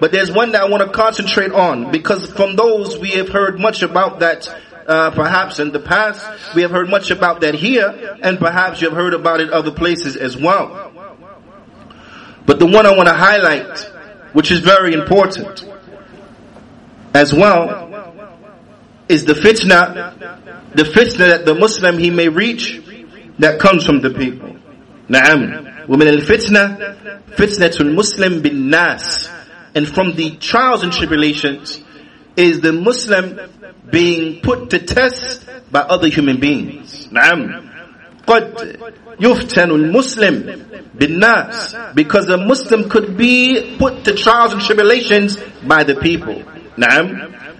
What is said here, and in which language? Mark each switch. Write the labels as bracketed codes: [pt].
[en] But there's one that I want to concentrate on, because from those we have heard much about that, perhaps in the past, we have heard much about that here, and perhaps you have heard about it other places as well. But the one I want to highlight, which is very important as well, is the fitna that the Muslim he may reach that comes from the people. Na'am. [ar] ومن الفتنة فتنة المسلم بالناس. [en] And from the trials and tribulations is the Muslim being put to test by other human beings. [ar] Na'am. قد يفتن المسلم بالناس. [en] Because a Muslim could be put to trials and tribulations by the people. Na'am.